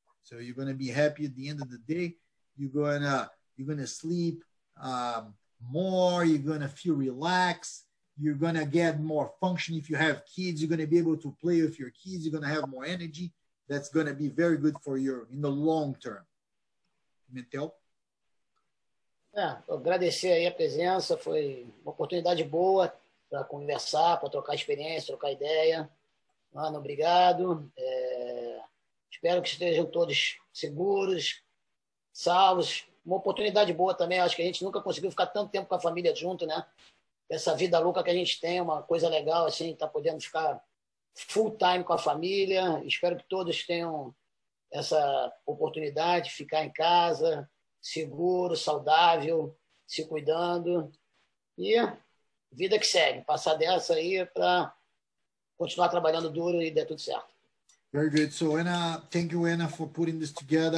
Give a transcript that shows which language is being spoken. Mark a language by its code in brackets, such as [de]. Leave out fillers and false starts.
[en] So you're going to be happy at the end of the day. You're going to sleep more. You're going to feel relaxed. You're going to get more function. If you have kids, you're going to be able to play with your kids. You're going to have more energy. That's going to be very good for you in the long term. Mentel? [pt] Agradecer aí a presença, foi uma oportunidade boa para conversar, para trocar experiência, trocar ideia. Mano, obrigado. Espero que estejam todos seguros, salvos. Uma oportunidade boa também, acho que a gente nunca conseguiu ficar tanto tempo com a família junto, né? Essa vida louca que a gente tem, uma coisa legal, assim, tá podendo ficar full time com a família. Espero que todos tenham essa oportunidade de ficar em casa, seguro, saudável, se cuidando, e vida que segue, passar dessa aí para continuar trabalhando duro e dar tudo certo. [en] Very good. So, Anna, thank you, Anna, for putting this together.